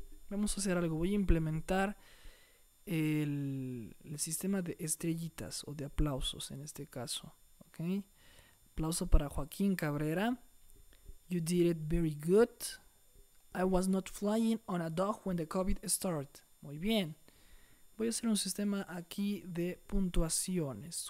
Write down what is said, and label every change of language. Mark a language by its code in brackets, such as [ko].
[es] Vamos a hacer algo, voy a implementar el sistema de estrellitas o de aplausos en este caso, ¿ok? Aplauso para [en] Joaquín Cabrera. You did it very good. I was not flying on a dog when the COVID started. [es] Muy bien. Voy a hacer un sistema aquí de puntuaciones.